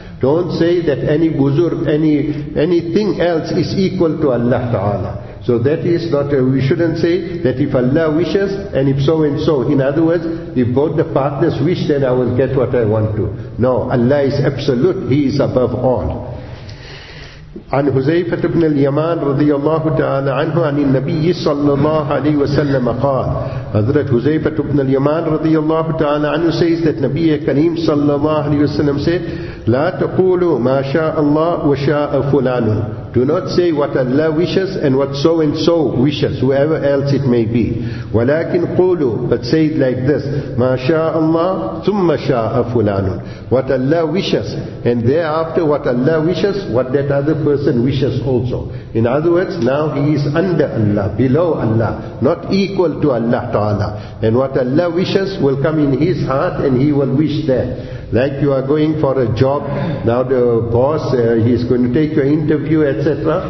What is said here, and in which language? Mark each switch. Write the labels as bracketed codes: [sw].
[en] Don't say that any buzurg, anything else is equal to Allah Ta'ala. So that is not, we shouldn't say that if Allah wishes and if so and so. In other words, if both the partners wish, then I will get what I want to. No, Allah is absolute, He is above all. [ar] عن حذيفة بن اليمان رضي الله تعالى عنه عن النبي صلى الله عليه وسلم قال حضرت حذيفة بن اليمان رضي الله تعالى عنه [en] says that [ar] نبي كريم صلى الله عليه وسلم [en] said [ar] لا تقولوا ما شاء الله وشاء فلان. [en] Do not say what Allah wishes and what so and so wishes, whoever else it may be. [ar] ولكن قولوا, [en] but say it like this, [ar] ما شاء الله ثم شاء فلان. [en] What Allah wishes, and thereafter what Allah wishes, what that other person wishes also. In other words, now he is under Allah, below Allah, not equal to Allah Ta'ala. And what Allah wishes will come in his heart and he will wish that. Like you are going for a job, now the boss, he is going to take your interview, etc.